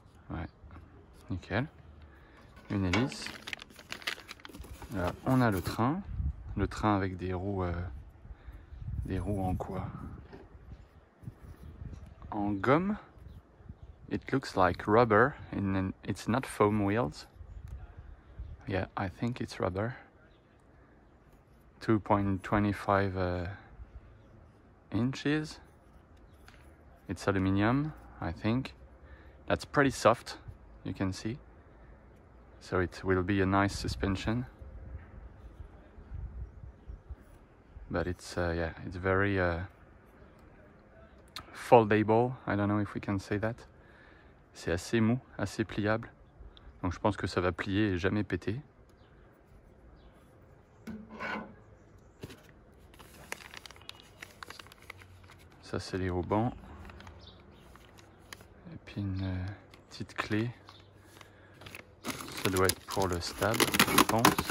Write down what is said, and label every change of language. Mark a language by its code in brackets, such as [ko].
[fr] Ouais, nickel, une hélice, là on a le train avec des roues en quoi? En gomme. [en] It looks like rubber and then it's not foam wheels. Yeah, I think it's rubber. 2.25 inches. It's aluminium, I think. That's pretty soft, you can see. So it will be a nice suspension. But it's very foldable. I don't know if we can say that. [fr] C'est assez mou, assez pliable. Donc je pense que ça va plier et jamais péter. Ça c'est les haubans. Et puis une petite clé. Ça doit être pour le stab, je pense.